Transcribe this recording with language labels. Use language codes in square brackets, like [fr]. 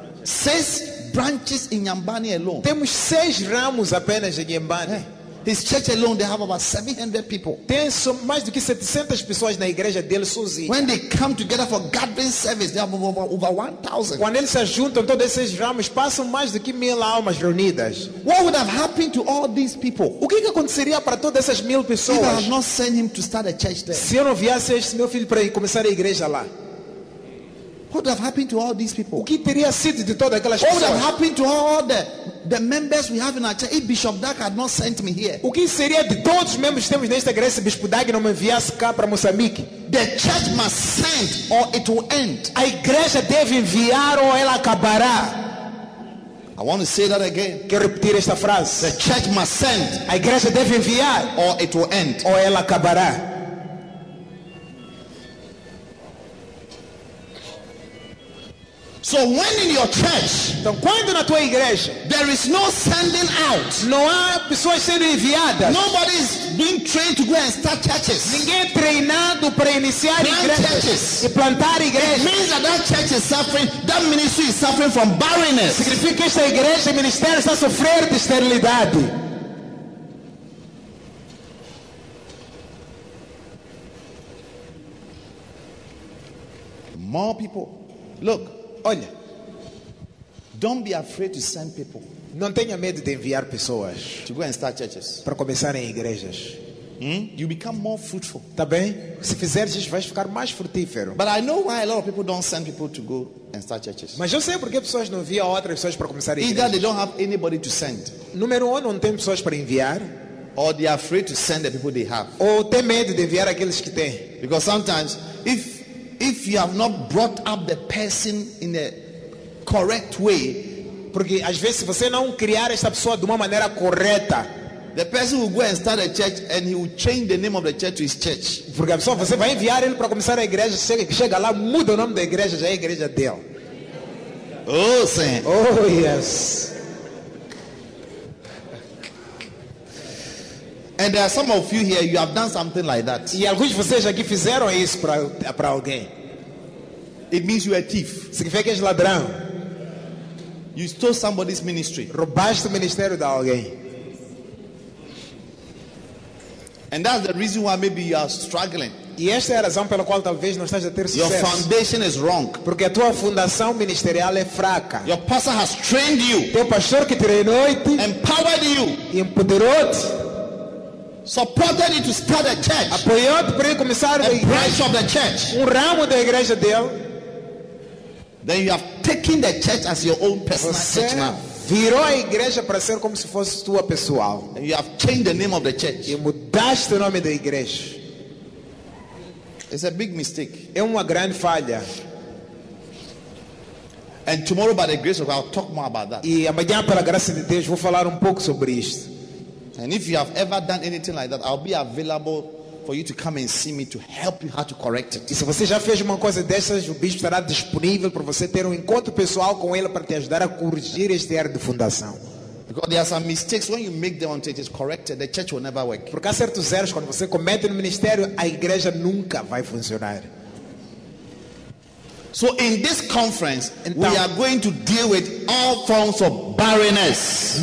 [en] 6 branches in Nyambani alone. [pt] Temos 6 ramos apenas em Nyambani. [en] Yeah. His church alone, they have about 700 people. [pt] Tem mais do que 700 pessoas na igreja dele sozinho. [en] When they come together for gathering service, they have over 1,000. [pt] Quando eles se juntam, todos esses ramos passam mais do que 1,000 almas reunidas. [en] What would have happened to all these people? [pt] O que aconteceria para todas essas 1,000 pessoas? [en] If I had not sent him to start a church there. [pt] Se eu não viesse esse meu filho para começar a igreja lá. [en] What would have happened to all these people? [pt] O que teria sido de todas aquelas pessoas? [en] What would have happened to all the members we have in our church? If Bishop Dag had not sent me here. [pt] O que seria de todos os membros que temos nesta igreja se Bispo Dag não me enviasse cá para Moçambique? [en] The church must send or it will end. [pt] A igreja deve enviar ou ela acabará. [en] I want to say that again. [pt] Quero repetir esta frase. [en] The church must send. [pt] A igreja deve enviar [en] or it will end. [pt] Ou ela acabará. [en] So when in your church, [pt] então quando na tua igreja, [en] there is no sending out, [pt] não há pessoas sendo enviadas. [en] Nobody is being trained to go and start churches. [pt] Ninguém treinado para iniciar igrejas e plantar igrejas. [en] It means that church is suffering, that ministry is suffering from barrenness. [pt] Significa que esta igreja, o ministério está sofrendo de esterilidade. [en] More people, look. [pt] Olha, [en] don't be afraid to send people. [pt] Não tenha medo de enviar pessoas [en] to go and start churches. [pt] Para começar em igrejas. [en] You become more fruitful. [pt] Tá bem? Se fizeres isso, vais ficar mais frutífero. [en] But I know why a lot of people don't send people to go and start churches. [pt] Mas eu sei porque pessoas não enviam outras pessoas para começar igrejas. [en] Either they don't have anybody to send. [pt] Número um, não tem pessoas para enviar. [en] Or they are afraid to send the people they have. [pt] Ou tem medo de enviar aqueles que têm. [en] Because sometimes, if you have not brought up the person in a correct way, [pt] porque às vezes se você não criar esta pessoa de uma maneira correta, [en] the person will go and start a church and he will change the name of the church to his church. [pt] Porque a pessoa, você vai enviar ele para começar a igreja, chega lá, muda o nome da igreja, já é a igreja dele. Oh, sim. [en] Oh, yes. And there are some of you here, you have done something like that. [pt] E alguns de vocês aqui fizeram isso para alguém. [en] It means you are a thief. [pt] Significa que és ladrão. [en] You stole somebody's ministry. [pt] Roubaste o ministério de alguém. [en] And that's the reason why maybe you are struggling. [pt] E esta é a razão pela qual talvez não estás a ter sucesso. [en] Your foundation is wrong. [pt] Porque a tua fundação ministerial é fraca. [en] Your pastor has trained you. [pt] Teu pastor que treinou te. [en] Empowered you. [pt] E empoderou-te. [en] Supported you to start a church. [pt] Apoiou-te para começar [en] a branch of the church. [pt] Um ramo da igreja dele. [en] Then you have taken the church as your own personal church now. [pt] Virou a igreja para ser como se fosse tua pessoal. [en] And you have changed the name of the church. [pt] E mudaste o nome da igreja. [en] It's a big mistake. [pt] É uma grande falha. [en] And tomorrow by the grace of God, I'll talk more about that. [pt] E amanhã pela graça de Deus vou falar um pouco sobre isto. [en] And if you have ever done anything like that, I'll be available for you to come and see me to help you how to correct it. [pt] E se você já fez uma coisa dessas, o bispo estará disponível para você ter um encontro pessoal com ele para te ajudar a corrigir este erro de fundação. [en] Because there are some mistakes when you make them until it is corrected, the church will never work. [pt] Porque há certos erros quando você comete no ministério, a igreja nunca vai funcionar. [en] So in this conference, [pt] então, [en] we are going to deal with all forms of barrenness.